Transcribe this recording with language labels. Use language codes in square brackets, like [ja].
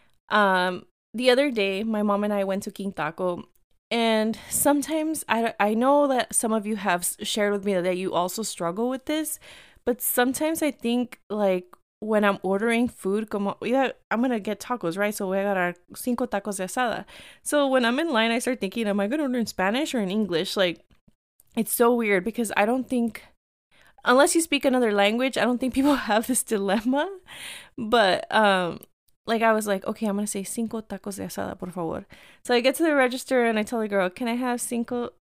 [en] The other day, my mom and I went to King Taco. And sometimes I know that some of you have shared with me that you also struggle with this. But sometimes I think like when I'm ordering food, I'm going to get tacos, right? [es] So voy a agarrar 5 tacos de asada. [en] So when I'm in line, I start thinking, am I going to order in Spanish or in English? Like, it's so weird because I don't think, unless you speak another language, I don't think people have this dilemma. But Like, I was like, okay, I'm going to say [es] cinco tacos de asada, por favor. [en] So I get to the register and I tell the girl, can I have cinco?